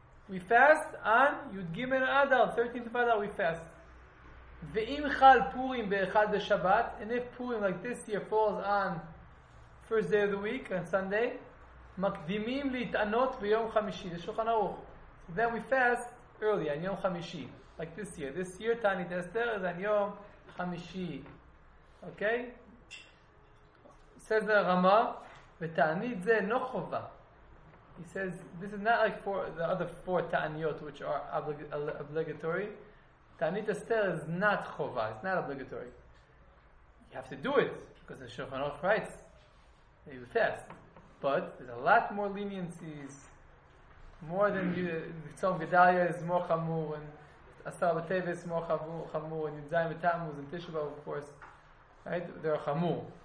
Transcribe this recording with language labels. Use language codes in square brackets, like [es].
[en] We fast on י"ג אדר, 13th of Adar, we fast. [he] ואם חל פורים באחד בשבת, [en] and if פורים, like this year, falls on first day of the week, on Sunday, [he] מקדימים להתענות ביום חמישי. זה שולחן ערוך. [en] Then we fast early, on יום חמישי. Like this year. This year, תעני דסטר, זה on יום חמישי. Okay? [he] סדר רמה. ותענית זה לא חובה. [en] He says, this is not like for the other four ta'aniyot, which are obligatory. Ta'anit Estel is not chova, it's not obligatory. You have to do it, because the Shulchan Aruch writes, you fast. But there's a lot more leniencies, more than Tzom Gedalia is more chamur, and Astar B'Teve is more chamur, and Yudzayim B'Tammuz, and Tisha B'Av, of course, right? They're chamur.